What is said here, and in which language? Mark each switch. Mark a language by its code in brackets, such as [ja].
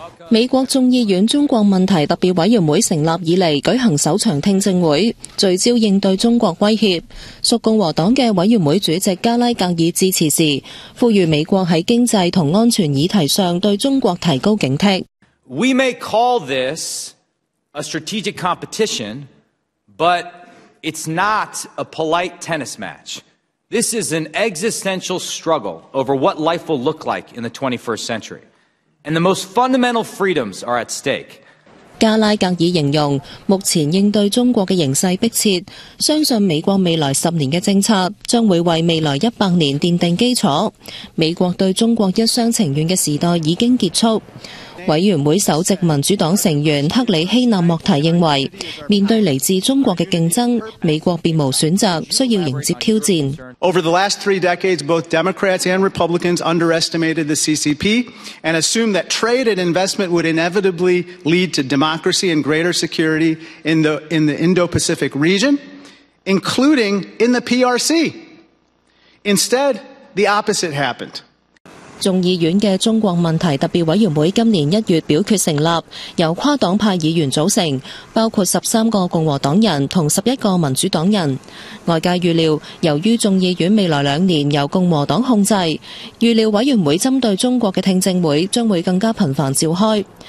[zh] 美国众议院中国问题特别委员会成立以来举行首场听证会，聚焦应对中国威胁。属共和党的委员会主席加拉格尔致辞时，呼吁美国在经济和安全议题上对中国提高警惕。 [en] We may call this a strategic competition, but it's not a polite tennis match. This is an existential struggle over what life will look like in the 21st century. And the most fundamental freedoms are at stake. [zh] 加拉格尔形容目前应对中国的形势迫切，相信美国未来十年的政策将会为未来100年奠定基础。美国对中国一厢情愿的时代已经结束。委员会首席民主党成员克里希纳莫提认为，面对来自中国的竞争，美国别无选择，需要迎接挑战。 [en] Over the last three decades, both Democrats and Republicans underestimated the CCP and assumed that trade and investment would inevitably lead to democracy and greater security in the Indo-Pacific region, including in the PRC. Instead, the opposite happened. [zh] 众议院的中国问题特别委员会今年一月表决成立，由跨党派议员组成，包括13个共和党人和11个民主党人。外界预料，由于众议院未来两年由共和党控制，预料委员会针对中国的听证会将会更加频繁召开。